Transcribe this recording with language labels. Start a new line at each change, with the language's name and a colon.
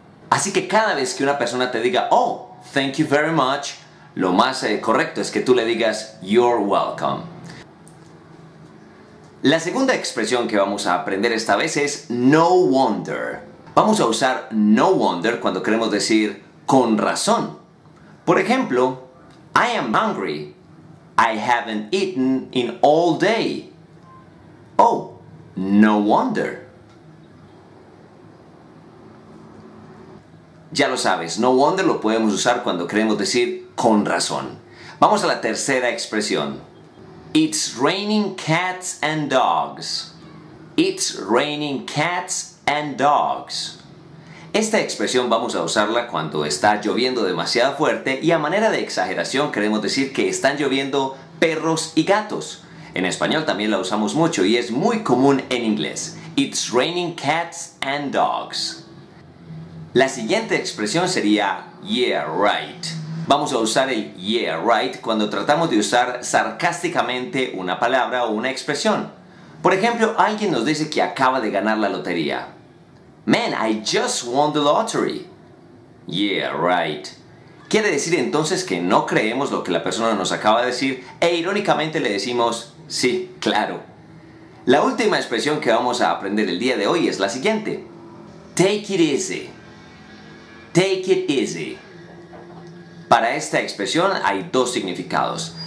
Spanish: Así que cada vez que una persona te diga,
English: oh, thank you very much,
Spanish: lo más correcto es que tú le digas
English: you're welcome.
Spanish: La segunda expresión que vamos a aprender esta vez es no wonder. Vamos a usar no wonder cuando queremos decir con razón. Por ejemplo,
English: I am hungry. I haven't eaten in all day. Oh, no wonder.
Spanish: Ya lo sabes, no wonder lo podemos usar cuando queremos decir con razón. Vamos a la tercera expresión.
English: It's raining cats and dogs. It's raining cats and dogs.
Spanish: Esta expresión vamos a usarla cuando está lloviendo demasiado fuerte y a manera de exageración queremos decir que están lloviendo perros y gatos. En español también la usamos mucho y es muy común en inglés.
English: It's raining cats and dogs.
Spanish: La siguiente expresión sería yeah, right. Vamos a usar el yeah, right cuando tratamos de usar sarcásticamente una palabra o una expresión. Por ejemplo, alguien nos dice que acaba de ganar la lotería.
English: Man, I just won the lottery. Yeah, right.
Spanish: Quiere decir entonces que no creemos lo que la persona nos acaba de decir e irónicamente le decimos, sí, claro. La última expresión que vamos a aprender el día de hoy es la siguiente.
English: Take it easy. Take it easy.
Spanish: Para esta expresión hay dos significados.